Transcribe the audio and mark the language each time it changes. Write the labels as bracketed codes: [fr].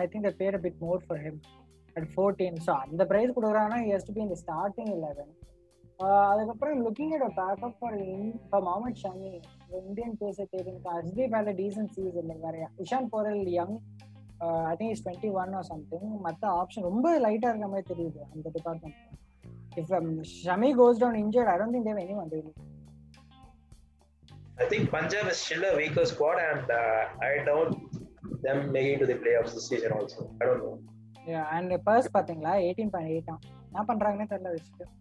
[en] I think they paid a bit more for him at 14. So and the price [ta] kudukuraana [en] he has to be in the starting 11. [ta] Adhukapram [en] looking at a backup for him for Mohammad Shami. Indian pace [ta] தெரியும்க்கா [en] Ajdeep had a decent season in Varia. Ishan Porel young, I think he's 21 or something. [ta] மற்ற option ரொம்ப லைட்டா இருக்க மாதிரி தெரியுது அந்த department. [en] If Shami goes down injured, I don't think they have anyone really. I think Punjab is still a weaker squad and I doubt them making to the playoffs this season also. I don't know. Yeah, and purse [ta] பாத்தீங்களா 18.8 ஆ. என்ன பண்றாங்கன்னே தெரியல விஷயம்.